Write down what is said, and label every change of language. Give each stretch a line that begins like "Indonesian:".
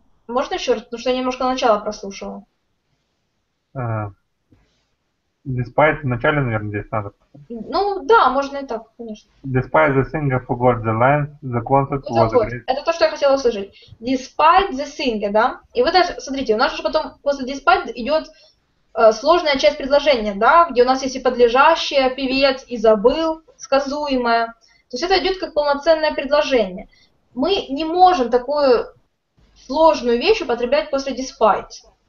Russian: Можно еще раз? Потому что я немножко начало прослушала. Despite, в начале, наверное, здесь надо. Ну, да, можно и так, конечно.
English: Despite the singer forgot the lines, the concert was great.
Russian: Это то, что я хотела услышать.
English: Despite the singer,
Russian: да? И вот это, смотрите, у нас же потом после despite идет сложная часть предложения, да? Где у нас есть и подлежащее, певец, и забыл, сказуемое. То есть это идет как полноценное предложение. Мы не можем такую сложную вещь употреблять после despite.